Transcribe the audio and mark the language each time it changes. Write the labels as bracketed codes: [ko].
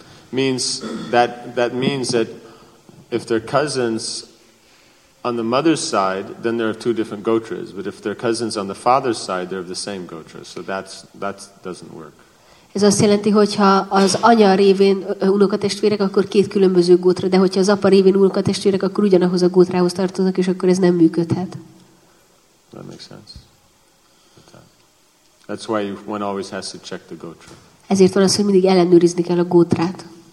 [en] Means that means that if they're cousins on the mother's side, then they're of two different gotras, but if they're cousins on the father's side, they're of the same gotra. So that doesn't work. [hu] Ez azt jelenti, hogyha az anya révén unokatestvérek, akkor két különböző gótra, de hogyha az apa révén unokatestvérek, akkor ugyanahoz a gótrához tartoznak, és akkor ez nem működhet. [en] That makes sense. That's why one always has to check the gotra. [hu] Ezért van az, hogy mindig ellenőrizni kell a gótrát.